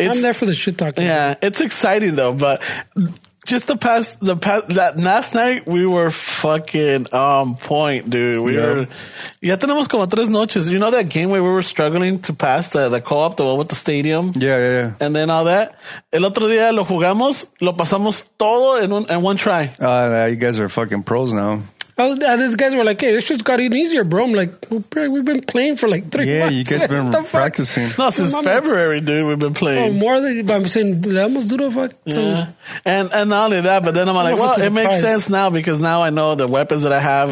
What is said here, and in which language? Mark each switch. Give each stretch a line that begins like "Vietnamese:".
English: I'm there for the shit talking. Yeah, it's exciting though. But just last night we were fucking on point, dude. We were.
Spanish: Ya tenemos como tres noches.
English: You know that game where we were struggling to pass the co-op, the one with the stadium? Yeah. And then all that.
Spanish: El otro día lo jugamos, lo pasamos todo en
English: one try. You guys are fucking pros now. Oh, these guys were like, hey, this shit's got even easier, bro. I'm like, we've been playing for like 3 months. Yeah, you guys have been practicing. No, since February, dude, we've been playing. Oh, more than, but I'm saying, they almost do the fuck. And not only that, but then I'm like, it makes sense now because now I know the weapons that I have.